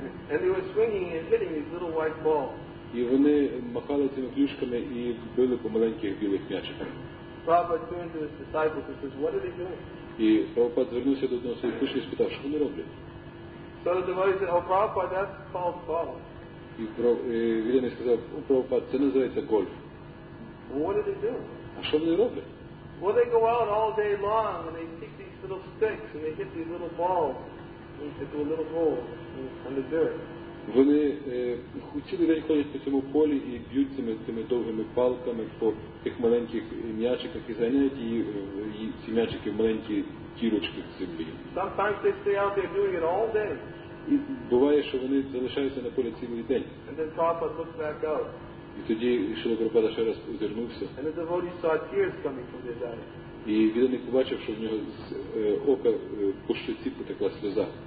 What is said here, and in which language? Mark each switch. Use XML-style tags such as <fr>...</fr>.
<en>And they were swinging and hitting these little white balls.</en> <uk>І вони махали цими клюшками і били по маленьких білих м'ячиках.</uk> <en>Prabhupada turned to his disciples and says, what are they doing?</en> <uk>І Прабхупада звернувся до одного своїх учнів і спитав, що вони роблять?</uk> <en>So the devotee said, oh, Prabhupada, that's called golf.</en> <uk>І відданий сказав, о, Прабхупада, це називається гольф.</uk> <en>Well, what are they doing?</en> <uk>А що вони роблять?</uk> <en>Well, they go out all day long and they pick these little sticks and they hit these little balls into a little hole in the dirt.</en> <uk>Вони хотіли день ходять по цьому полі і б'ють цими довгими палками по тих маленьких м'ячиках і заняють її ці м'ячики в маленькі тірочки в землі.</uk> <en>Sometimes they stay out there doing it all day.</en> <uk>І буває, що вони залишаються на полі цілий день.</uk> <en>And then Prabhupada looks back out.</en> <uk>І тоді Шрила Прабхупада ще раз озирнувся.</uk> <en>And the devotee saw tears coming from his eyes.</en> <uk>І відданий побачив, що в нього з ока по щоці потекла сльоза.</uk>